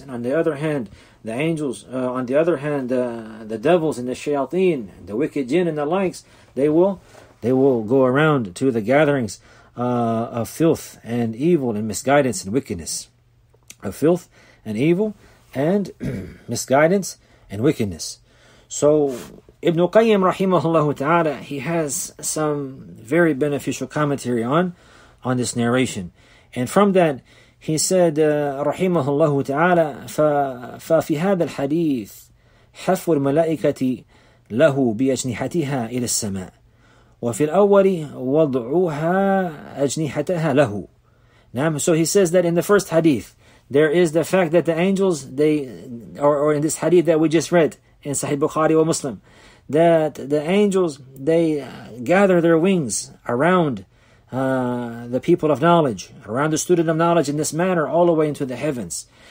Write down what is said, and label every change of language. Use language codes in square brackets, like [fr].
[en] And on the other hand, the angels, the devils and the shayateen, the wicked jinn and the likes, they will go around to the gatherings of filth and evil and misguidance and wickedness. Of filth and evil and misguidance and wickedness. So Ibn Qayyim rahimahullah ta'ala, he has some very beneficial commentary on this narration. And from that, he said, [ar] رحمه الله تعالى, فَفِي هَذَا الْحَدِيثِ حَفُّ الْمَلَائِكَةِ لَهُ بِأَجْنِحَتِهَا إِلَى السَّمَاءِ وَفِي الْأَوَّلِ وَضْعُوهَا أَجْنِحَتَهَا لَهُ. [en] Now, so he says that in the first hadith, there is the fact that the angels, or in this hadith that we just read, in Sahih Bukhari wa Muslim, that the angels, they gather their wings around the people of knowledge, around the student of knowledge in this manner, all the way into the heavens.